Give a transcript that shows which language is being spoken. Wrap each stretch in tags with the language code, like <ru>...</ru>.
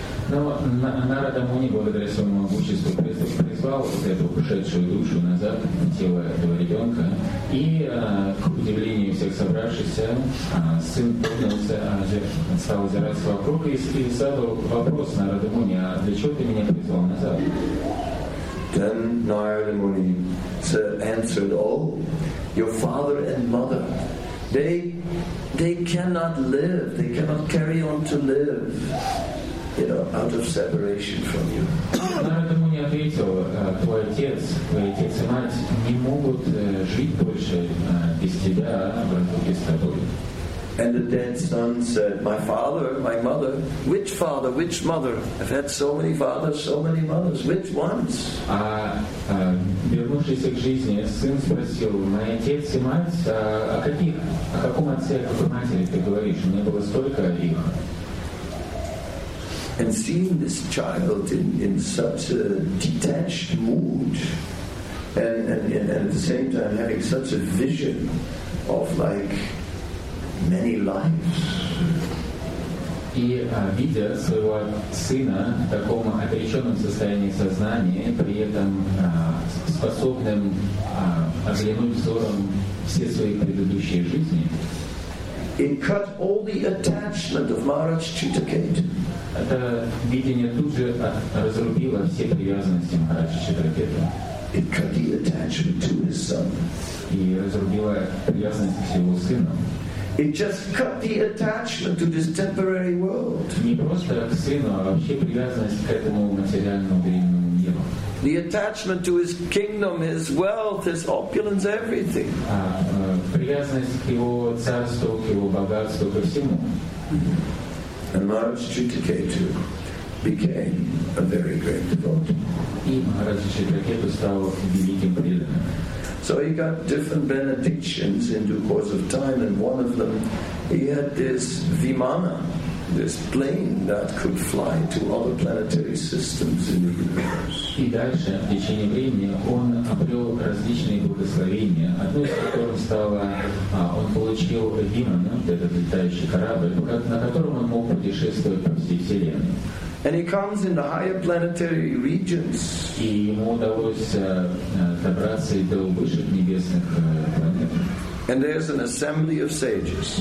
<ru>Нарада Муни, благодаря своему могуществу, призвал вот эту ушедшую душу назад в тело этого ребенка. И, к удивлению всех собравшихся, сын поднялся, стал озираться вокруг и задал вопрос Нарада Муни, а для чего ты меня призвал назад?</ru> <en>Then Нарада Муни answered, oh, your father and mother, they cannot live, they cannot carry on to live. Out of separation from you.</en> <ru>Нарада Муни ответил, твой отец и мать не могут жить больше без тебя, в разлуке с тобой.</ru> <en>And the dead son said, my father, my mother, which father, which mother? I've had so many fathers, so many mothers, which ones?</en> <ru>А вернувшийся к жизни, сын спросил, мой отец и мать, о каком отце, о какой матери ты говоришь? У меня было столько их.</ru> <en>And seeing this child in such a detached mood, and at the same time having such a vision of like many lives,</en> <ru>И видя своего сына в таком отреченном состоянии сознания, при этом способным оглянуть взором все свои предыдущие жизни,</ru> <en>it cut all the attachment of Maharaj Chittaket.</en> <ru>Это видение тут же разрубило все привязанности Махараджа Читракета.</ru> <en>It cut the attachment to his son.</en> <ru>И разрубило привязанность к его сыну.</ru> <en>It just cut the attachment to this temporary world.</en> <ru>Не просто к сыну, а вообще привязанность к этому материальному временному миру.</ru> <en>The attachment to his kingdom, his wealth, his opulence, everything.</en> <ru>Привязанность к его царству, к его богатству, ко всему.</ru> <en>And Maharaj Chittaketu became a very great devotee.</en> <ru>И Махараджа Читракету стал великим преданным.</ru> <en>So he got different benedictions in due course of time, and one of them, he had this vimana, this plane that could fly to other planetary systems in the universe.</en> <ru>И дальше, в течение времени, он обрел различные благословения. Одно из которых стало, он получил виман, этот летающий корабль, на котором он мог путешествовать по всей Вселенной.</ru> <en>And he comes in the higher planetary regions.</en> <ru>И ему удалось добраться и до высших небесных планет.</ru> <en>And there's an assembly of sages.</en>